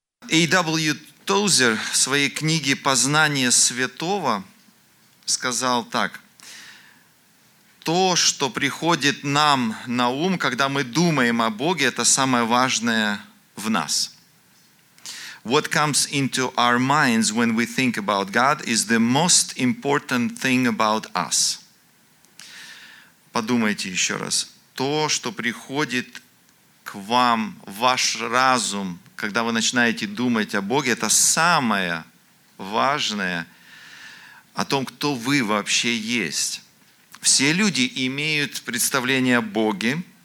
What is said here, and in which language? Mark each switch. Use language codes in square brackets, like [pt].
[ru] А.В. Тозер в своей книге «Познание святого» сказал так: «То, что приходит нам на ум, когда мы думаем о Боге, это самое важное в нас». [en] What comes into our minds when we think about God is the most important thing about us. [ru] Подумайте еще раз. То, что приходит к вам, ваш разум, когда вы начинаете думать о Боге, это самое важное о том, кто вы вообще есть. Все люди имеют представление о Боге.